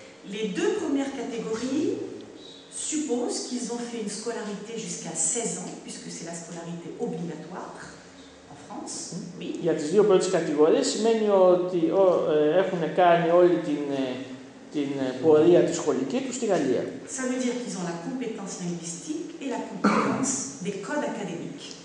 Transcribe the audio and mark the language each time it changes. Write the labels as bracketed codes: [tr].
[fr] Les deux premières catégories supposent qu'ils ont fait une scolarité jusqu'à 16 ans, puisque c'est la scolarité obligatoire en France. Oui. [el] Για τις δύο πρώτες κατηγορίες σημαίνει ότι έχουν κάνει όλη την πορεία του σχολική του στη Γαλλία. [fr] Ça veut dire qu'ils ont la compétence linguistique et la compétence des codes académiques.